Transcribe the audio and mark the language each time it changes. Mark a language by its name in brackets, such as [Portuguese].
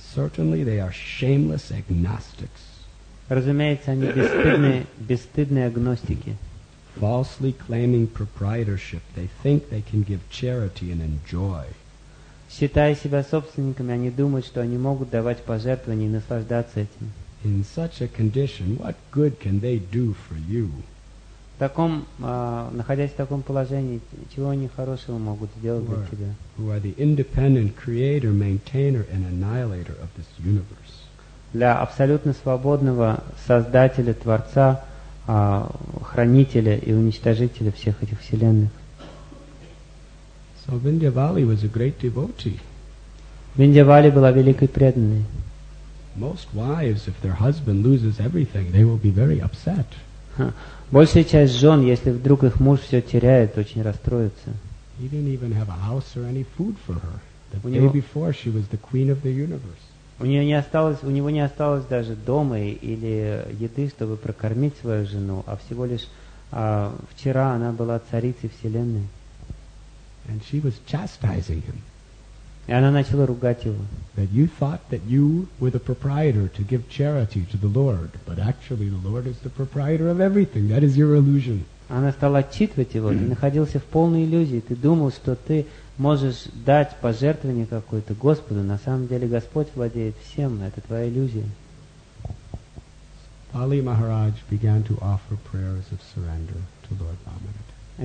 [English] Certainly they are shameless agnostics. [Russian] Разумеется, они бесстыдные агностики. [English] Falsely claiming proprietorship, they think they can give charity and enjoy. [Russian] Считая себя собственниками, они думают, что они могут давать пожертвования и наслаждаться этим. [English] In such a condition, what good can they do for you? [Russian] В таком, находясь в таком положении, чего они хорошего могут сделать для тебя? [English] Who are the independent creator, maintainer, and annihilator of this universe? [Russian] Для абсолютно свободного создателя, творца, хранителя и уничтожителя всех этих вселенных. [English] So Vindhyavali was a great devotee. [Russian] Vindhyavali была великой преданной. [English] Most wives, if their husband loses everything, they will be very upset. [Russian] Большая часть жен, если вдруг их муж все теряет, очень расстроится. [English] He didn't even have a house or any food for her. The day before, she was the queen of the universe. [Russian] У него не осталось даже дома или еды, чтобы прокормить свою жену, а всего лишь вчера она была царицей вселенной. [English] And she was chastising him. [Russian] И она начала ругать его. [English] That you thought that you were the proprietor to give charity to the Lord, but actually the Lord is the proprietor of everything. That is your illusion. [Russian] Она стала отчитывать его. Ты находился в полной иллюзии. Ты думал, что ты можешь дать пожертвование какое-то Господу. На самом деле Господь владеет всем. Это твоя иллюзия. [English] Bali Maharaj began to offer prayers of surrender to Lord Vamanadeva.